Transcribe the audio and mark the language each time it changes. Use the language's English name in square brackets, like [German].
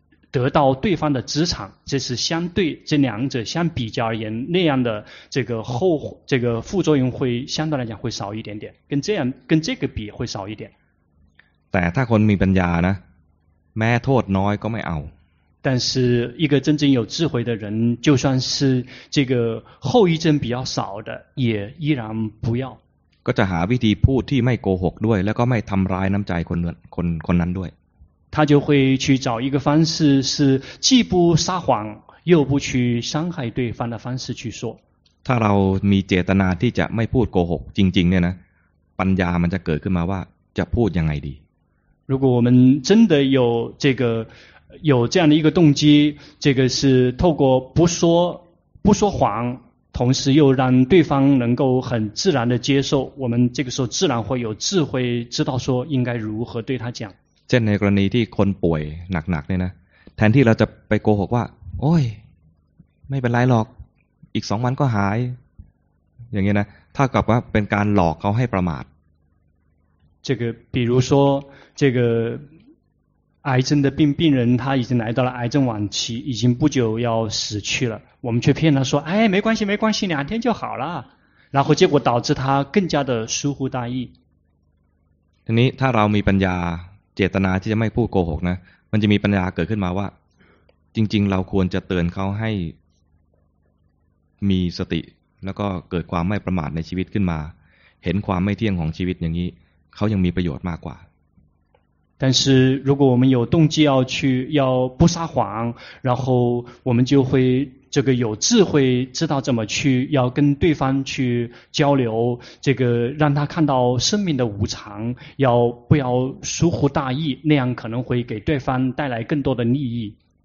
[Chinese] 得到对方的资产这是相对这两者相比较而言那样的这个副作用会相对来讲会少一点点跟这个比会少一点 [Thai] แต่ถ้าคนมีปัญญานะแม้โทษน้อยก็ไม่เอา [Chinese] 但是一个真正有智慧的人就算是这个后遗症比较少的也依然不要 [Thai] ก็จะหาวิธีพูดที่ไม่โกหกด้วยแล้วก็ไม่ทําร้ายน้ําใจคนนั้นด้วย [Chinese] 他就会去找一个方式是既不撒谎又不去伤害对方的方式去说 [Thai] ถ้าเรามีเจตนาที่จะไม่พูดโกหกจริงๆเนี่ยนะปัญญามันจะเกิดขึ้นมาว่าจะพูดยังไงดี [Chinese] 如果我们真的有这个有这样的一个动机这个是透过不说谎同时又让对方能够很自然的接受，我们这个时候自然会有智慧，知道说应该如何对他讲。 [Thai] เช่นในกรณีที่คนป่วยหนักๆเนี่ยนะแทนที่เราจะไปโกหกว่าโอ้ยไม่เป็นไรหรอกอีกสองวันก็หายอย่างเงี้ยนะถ้ากลับว่าเป็นการหลอกเขาให้ประมาท [Chinese] 这个比如说这个癌症的病人他已经来到了癌症晚期，已经不久要死去了，我们却骗他说哎没关系没关系，两天就好了，然后结果导致他更加的疏忽大意。 [Thai] ทีนี้ถ้าเรามีปัญญาเจตนาที่จะไม่พูดโกหกนะมันจะมีปัญญาเกิดขึ้นมาว่าจริงๆเราควรจะเตือนเขาให้มีสติแล้วก็เกิดความไม่ประมาทในชีวิตขึ้นมาเห็นความไม่เที่ยงของชีวิตอย่างนี้เขายังมีประโยชน์มากกว่า [Chinese] 但是如果我们有动机要去要不撒谎，然后我们就会这个有智慧知道怎么去要跟对方去交流，这个让他看到生命的无常，要不要疏忽大意，那样可能会给对方带来更多的利益。